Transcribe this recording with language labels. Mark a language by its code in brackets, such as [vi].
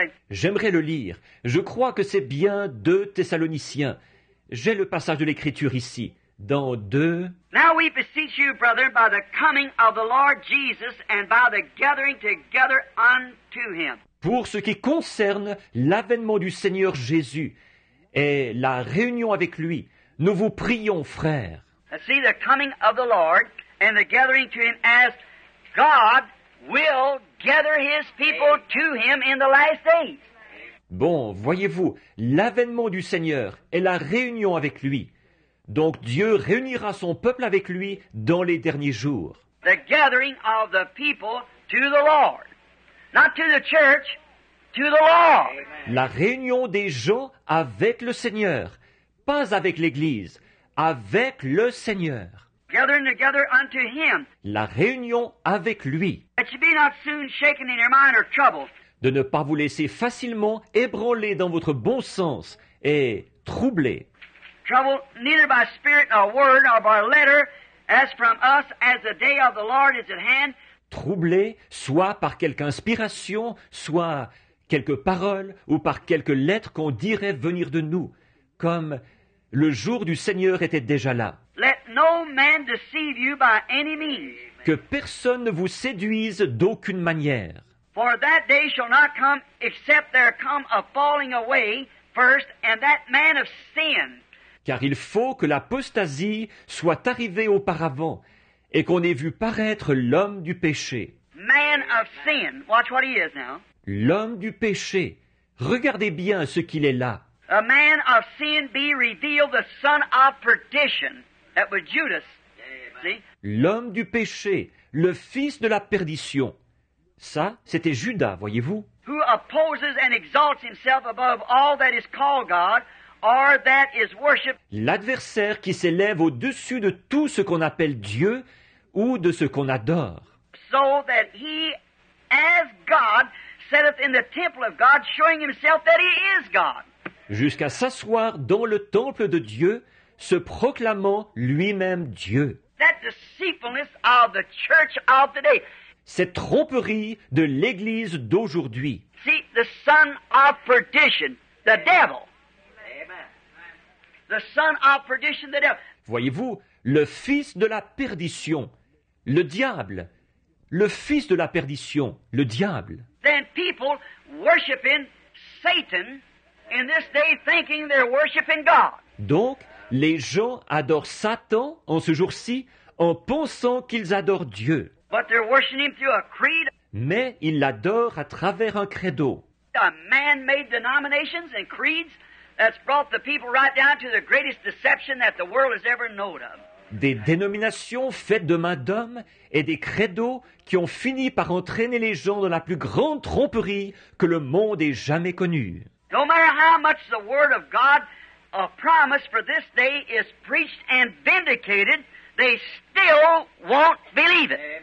[fr] J'aimerais le lire. Je crois que c'est bien 2 Thessaloniciens. J'ai le passage de l'Écriture ici, dans 2. [en] Now we beseech you, brother, by the coming of the Lord Jesus and by the gathering together unto him. [fr] Pour ce qui concerne l'avènement du Seigneur Jésus et la réunion avec lui, nous vous prions, frères. [en] See the coming of the Lord and the gathering to him as God will gather his people to him in the last days. [fr] Bon, voyez-vous, l'avènement du Seigneur est la réunion avec lui. Donc Dieu réunira son peuple avec lui dans les derniers jours. [en] The gathering of the people to the Lord. Not to the church, to the Lord. Amen. [fr] La réunion des gens avec le Seigneur, pas avec l'Église. Avec le Seigneur. [en] Gathering together unto him. [fr] La réunion avec lui. [en] That you be not soon shaken in your mind or troubled. [fr] De ne pas vous laisser facilement ébranler dans votre bon sens et troubler. [en] Troubled neither by spirit nor word nor by letter, as from us, as the day of the Lord is at hand. [fr] Troublé soit par quelque inspiration, soit quelque parole ou par quelque lettre qu'on dirait venir de nous, comme le jour du Seigneur était déjà là. [en] Let no man deceive you by any means. [fr] Que personne ne vous séduise d'aucune manière. [en] For that day shall not come except there come a falling away first, and that man of sin. [fr] Car il faut que l'apostasie soit arrivée auparavant et qu'on ait vu paraître l'homme du péché. [en] Man of sin. Watch what he is now. [fr] L'homme du péché. Regardez bien ce qu'il est là. [en] A man of sin be revealed, the son of perdition. That was Judas. See? [fr] L'homme du péché, le fils de la perdition. Ça, c'était Judas, voyez-vous. [en] Who opposes and exalts himself above all that is called God or that is worshipped. [fr] L'adversaire qui s'élève au-dessus de tout ce qu'on appelle Dieu ou de ce qu'on adore. [en] So that he, as God, setteth in the temple of God, showing himself that he is God. [fr] Jusqu'à s'asseoir dans le temple de Dieu, se proclamant lui-même Dieu. [en] That deceitfulness of the church of today. [fr] Cette tromperie de l'Église d'aujourd'hui. [en] See, the son of perdition, the devil. Amen. The son of perdition, the devil. [fr] Voyez-vous, le fils de la perdition, le diable. Le fils de la perdition, le diable. [en] Then people worshiping Satan in this day thinking they're worshiping God. [fr] Donc, les gens adorent Satan en ce jour-ci en pensant qu'ils adorent Dieu. [en] But they're worshiping him through a creed. [fr] Mais ils l'adorent à travers un credo. [en] A man-made denominations and creeds that's brought the people right down to the greatest deception that the world has ever known of. [fr] Des dénominations faites de main d'homme et des credos qui ont fini par entraîner les gens dans la plus grande tromperie que le monde ait jamais connue. [en] No matter how much the word of God, a promise for this day, is preached and vindicated, they still won't believe it.